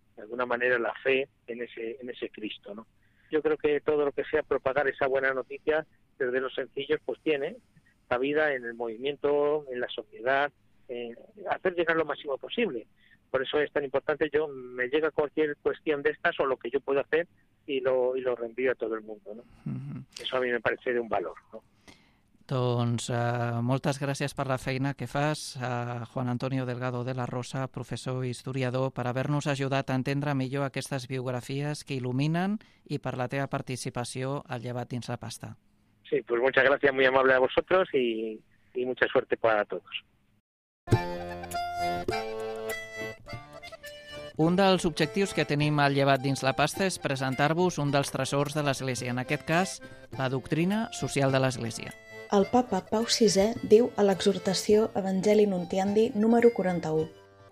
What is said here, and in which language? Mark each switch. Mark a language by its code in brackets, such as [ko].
[es] De alguna manera la fe en ese Cristo, ¿no? Yo creo que todo lo que sea propagar esa buena noticia desde los sencillos, pues tiene cabida en el movimiento, en la sociedad, en hacer llegar lo máximo posible. Por eso es tan importante. Yo me llega cualquier cuestión de estas o lo que yo puedo hacer y lo reenvío a todo el mundo, ¿no? Eso a mí me parece de un valor, ¿no? [ca] Doncs moltes gràcies per la feina que fas, a Juan Antonio Delgado de la Rosa, professor i historiador, per haver-nos ajudat a entendre millor aquestes biografies que il·luminen i per la teva participació al Llevat dins la pasta. [es] Sí, pues muchas gracias, muy amable a vosotros y mucha suerte para todos. [ca] Un dels objectius que tenim al Llevat dins la pasta és presentar-vos un dels tresors de l'Església, en aquest cas, la doctrina social de l'Església. El papa Pau VI diu a l'exhortació Evangelii Nuntiandi número 41.